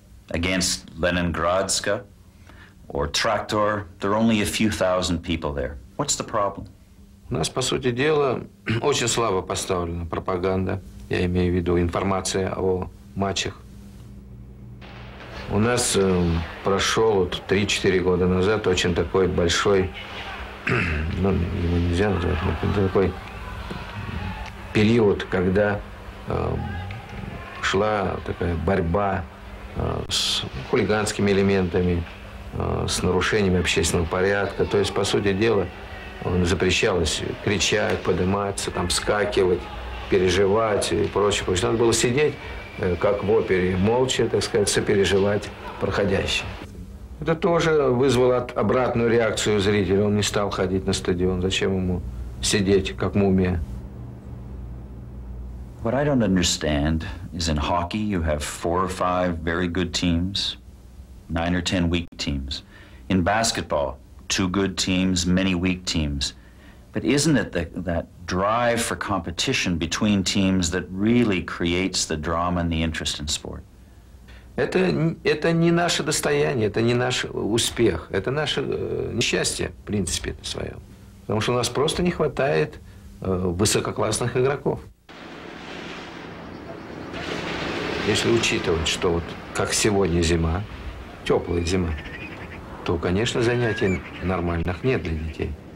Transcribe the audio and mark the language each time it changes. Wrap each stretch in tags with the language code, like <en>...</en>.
<en>Against Leningradska or Traktor, there are only a few thousand people there. What's the problem?</en> <ru>У нас, по сути дела, очень слабо поставлена пропаганда. Я имею в виду информация о матчах. У нас прошел 3-4 года назад очень такой большой, ну, его нельзя назвать, но такой период, когда шла такая борьба с хулиганскими элементами, с нарушениями общественного порядка. То есть, по сути дела, запрещалось кричать, подниматься, там, вскакивать, переживать и прочее, прочее. Надо было сидеть, как в опере, молча, так сказать, сопереживать проходящее. Это тоже вызвало обратную реакцию зрителя. Он не стал ходить на стадион. Зачем ему сидеть, как мумия?</ru> <en>What I don't understand is in hockey you have four or five very good teams. 9 or 10 weak teams. In basketball, two good teams, many weak teams. But isn't it that drive for competition between teams that really creates the drama and the interest in sport?</en> <ru>Это не наше достояние, это не наш успех, это наше несчастье, в принципе, в своем. Потому что у нас просто не хватает высококлассных игроков. Если учитывать, что вот как сегодня зима, теплая зима, то, конечно, занятий нормальных нет для детей.</ru>